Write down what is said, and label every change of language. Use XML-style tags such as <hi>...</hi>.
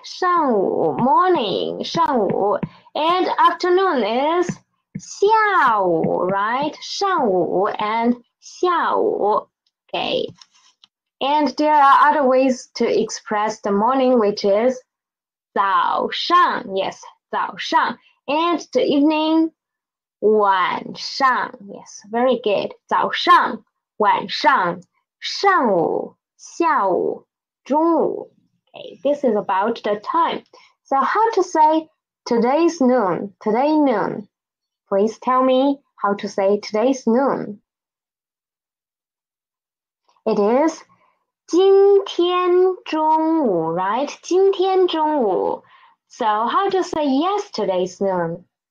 <en>上午, morning, 上午.And afternoon is 下午, right? 上午 and 下午, okay. And there are other ways to express the morning, which is 早上, yes, 早上. And the evening, 晚上, yes, very good.</en> <zh>早上, 晚上, 上午, 下午, 中午.</zh> <en>Okay, this is about the time. So how to say today's noon, today noon? Please tell me how to say today's noon. It is 今天中午, right? 今天中午.So how to say yesterday's noon?</en>